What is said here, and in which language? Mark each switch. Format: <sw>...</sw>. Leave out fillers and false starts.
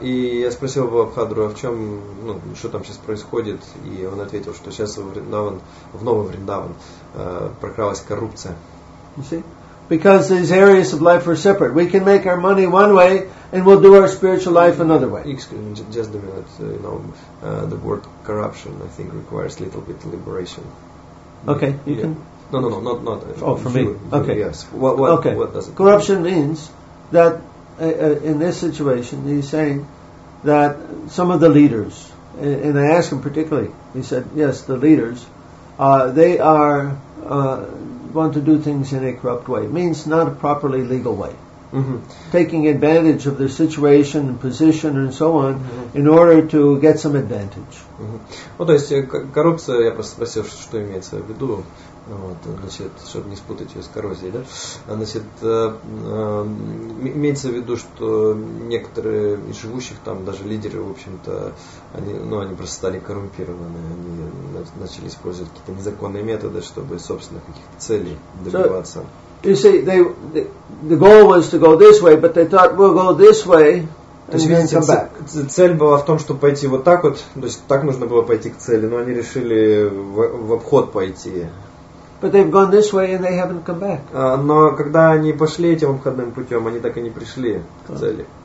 <ru>И я спросил Балабхадру, а в чем, ну, что там сейчас происходит, и он ответил, что сейчас в Новый Вриндаван прокралась коррупция.</ru> <en>You see? Because these areas of life are separate. We can make our money one way, and we'll do our spiritual life another way. Excuse me, just a minute. You know, the word corruption, I think, requires a little bit of liberation. Okay, you can... No, not... Oh, for me? Okay. Yes. What does it mean? Corruption means that... in this situation, he's saying that some of the leaders, and I asked him particularly, he said, yes, the leaders, they are want to do things in a corrupt way. It means not a properly legal way. Mm-hmm. Taking advantage of their situation and position and so on mm-hmm. in order to get some advantage.</en> <ru>Mm-hmm. Ну, то есть, коррупция, я просто спросил, что имеется в виду. Вот, значит, чтобы не спутать ее с коррозией, да? Значит, имеется в виду, что некоторые из живущих там, даже лидеры, в общем-то, они просто стали коррумпированы, они начали использовать какие-то незаконные методы, чтобы собственных каких-то целей добиваться.</ru> <en>So, you see, the goal was to go this way, but they thought we'll go this way.</en> <ru>То есть, видите, цель была в том, чтобы пойти вот так вот, то есть так нужно было пойти к цели, но они решили в обход пойти.</ru> <en>But they've gone this way and they haven't come back.</en> <ru>Но когда они пошли этим обходным путем, они так и не пришли к цели.</ru>